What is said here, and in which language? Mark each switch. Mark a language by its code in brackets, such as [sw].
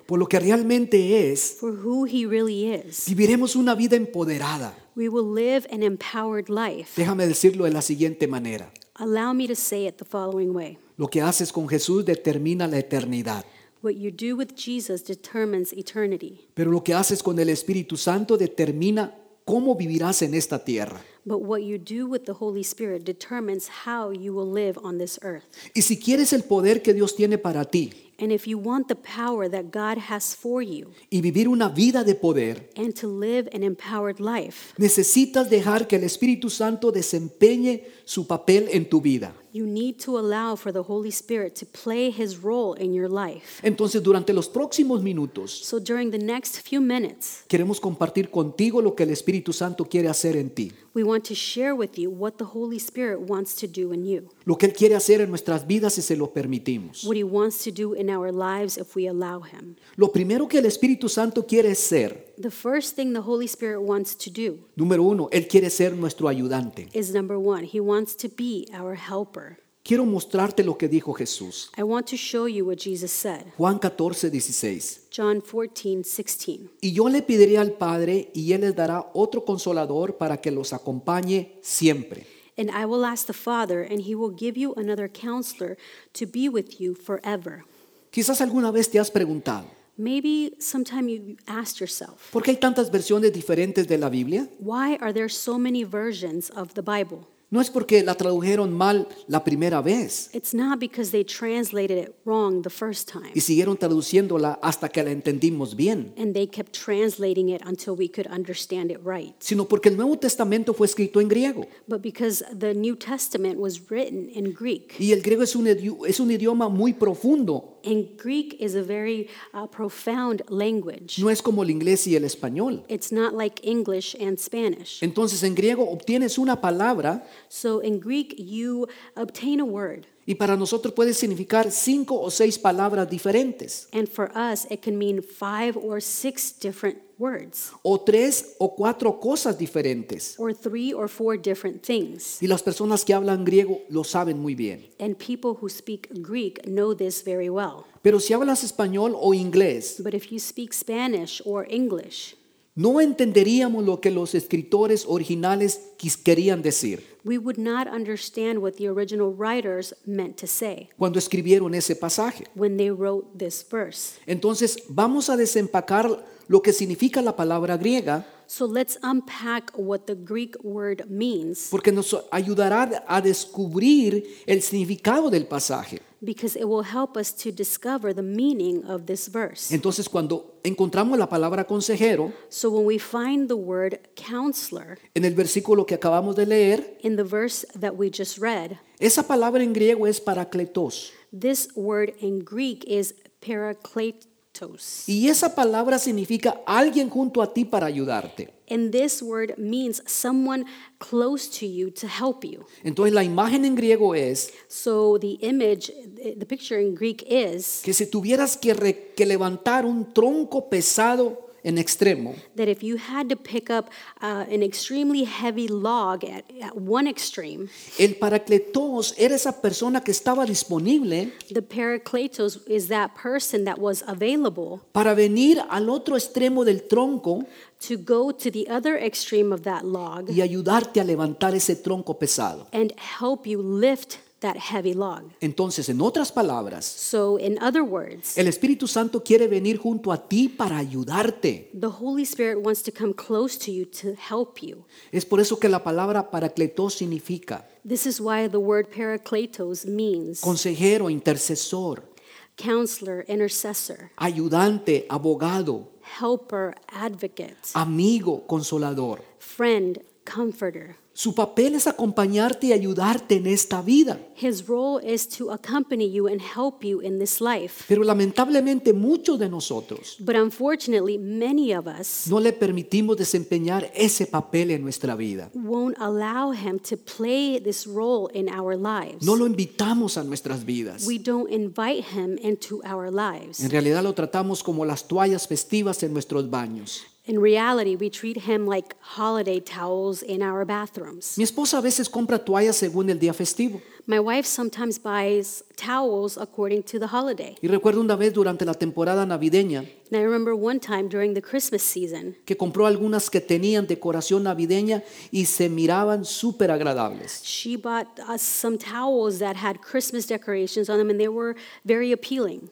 [es] por lo que realmente es, [en] for who he really is, [es] viviremos una vida empoderada. [en] We will live an empowered life. [es] Déjame decirlo de la siguiente manera. [en] Allow me to say it the following way. [es] Lo que haces con Jesús determina la eternidad. [en] What you do with Jesus determines eternity. [es] Pero lo que haces con el Espíritu Santo determina cómo vivirás en esta tierra. [en] But what you do with the Holy Spirit determines how you will live on this earth. [es] Y si quieres el poder que Dios tiene para ti, [en] and if you want the power that God has for you, [es] y vivir una vida de poder, [en] and to live an empowered life, [es] necesitas dejar que el Espíritu Santo desempeñe su papel en tu vida. [en] You need to allow for the Holy Spirit to play his role in your life. [es] Entonces, durante los próximos minutos, [en] so during the next few minutes, [es] queremos compartir contigo lo que el Espíritu Santo quiere hacer en ti. [en] We want to share with you what the Holy Spirit wants to do in you. [es] Lo que él quiere hacer en nuestras vidas si se lo permitimos. [en] What he wants to do in our lives if we allow him. [es] Lo primero que el Espíritu Santo quiere ser, [en] the first thing the Holy Spirit wants to do, [es] número uno, él quiere ser nuestro ayudante, [en] is number one, he wants to be our helper. [es] Quiero mostrarte lo que dijo Jesús. [en] I want to show you what Jesus said. [es] Juan 14, 16. [en] John 14, 16. [es] Y yo le pediré al Padre y él les dará otro consolador para que los acompañe siempre. [en] And I will ask the Father and he will give you another counselor to be with you forever. [es] Quizás alguna vez te has preguntado, [en] maybe sometime you asked yourself, [es] ¿por qué hay tantas versiones diferentes de la Biblia? [en] Why are there so many versions of the Bible? [es] No es porque la tradujeron mal la primera vez. [en] It's not because they translated it wrong the first time. [es] Y siguieron traduciéndola hasta que la entendimos bien. [en] And they kept translating it until we could understand it right. [es] Sino porque el Nuevo Testamento fue escrito en griego. [en] But because the New Testament was written in Greek. [es] Y el griego es un idioma muy profundo. [en] And Greek is a very profound language. [es] No es como el inglés y el español. [en] It's not like English and Spanish. [es] Entonces en griego obtienes una palabra. [en] So in Greek you obtain a word. [es] Y para nosotros puede significar 5 o 6 palabras diferentes. [en] And for us it can mean 5 or 6 different words. [es] O 3 o 4 cosas diferentes. [en] Or 3 or 4 different things. [es] Y las personas que hablan griego lo saben muy bien. [en] And people who speak Greek know this very well. [es] Pero si hablas español o inglés, [en] but if you speak Spanish or English, [es] no entenderíamos lo que los escritores originales querían decir. [en] We would not understand what the original writers meant to say. [es] Cuando escribieron ese pasaje. [en] When they wrote this verse. [es] Entonces, vamos a desempacar lo que significa la palabra griega. [en] So let's unpack what the Greek word means. [es] Porque nos ayudará a descubrir el significado del pasaje. [en] Because it will help us to discover the meaning of this verse. [es] Entonces, cuando encontramos la palabra consejero, [en] so when we find the word counselor, [es] en el versículo que acabamos de leer, [en] in the verse that we just read, [es] esa palabra en griego es paracletos. [en] This word in Greek is paracletos. [es] Y esa palabra significa alguien junto a ti para ayudarte. [en] And this word means someone close to you to help you. [es] Entonces la imagen en griego es, [en] so the image, the picture in Greek is, [es] que si tuvieras que levantar un tronco pesado en extremo, [en] that if you had to pick up an extremely heavy log at one extreme, [es] el paracletos era esa persona que estaba disponible, [en] the paracletos is that person that was available, [es] para venir al otro extremo del tronco, [en] to go to the other extreme of that log, [es] y ayudarte a levantar ese tronco pesado, [en] and help you lift that heavy log. [es] Entonces, en otras palabras, [en] so in other words, [es] el Espíritu Santo quiere venir junto a ti para ayudarte. [en] The Holy Spirit wants to come close to you to help you. [es] Es por eso que la palabra paracletos significa. [en] This is why the word paracletos means. [es] Consejero, intercesor. [en] Counselor, intercessor. [es] Ayudante, abogado. [en] Helper, advocate. [es] Amigo, consolador. [en] Friend, comforter. [es] Su papel es acompañarte y ayudarte en esta vida. [en] His role is to accompany you and help you in this life. [es] Pero lamentablemente muchos de nosotros, [en] but unfortunately, many of us, [es] no le permitimos desempeñar ese papel en nuestra vida. [en] Won't allow him to play this role in our lives. [es] No lo invitamos a nuestras vidas. [en] We don't invite him into our lives. [es] En realidad lo tratamos como las toallas festivas en nuestros baños. [en] In reality, we treat him like holiday towels in our bathrooms. [es] Mi esposa a veces compra toallas según el día festivo. [en] My wife sometimes buys towels according to the holiday. [es] Y recuerdo una vez durante la temporada navideña. [en] And I remember one time during the Christmas season. [es] Que compró algunas que tenían decoración navideña y se miraban súper agradables. [en] She bought some towels that had Christmas decorations on them and they were very appealing.